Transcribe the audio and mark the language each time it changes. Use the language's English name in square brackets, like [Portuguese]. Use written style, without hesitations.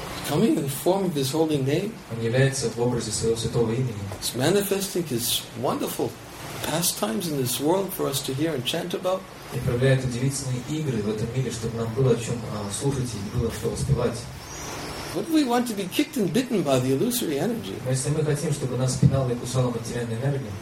[English] Coming in the form of his holy name. [Russian] Он является в образе своего святого имени. [English] He's manifesting his wonderful pastimes in this world for us to hear and chant about. [Russian] И проявляет удивительные игры в этом мире, чтобы нам было о чем слушать и было что воспевать. [English] What do we want to be kicked and bitten by the illusory energy? [Russian] Но если мы хотим, чтобы нас пинала и кусала материальная энергия.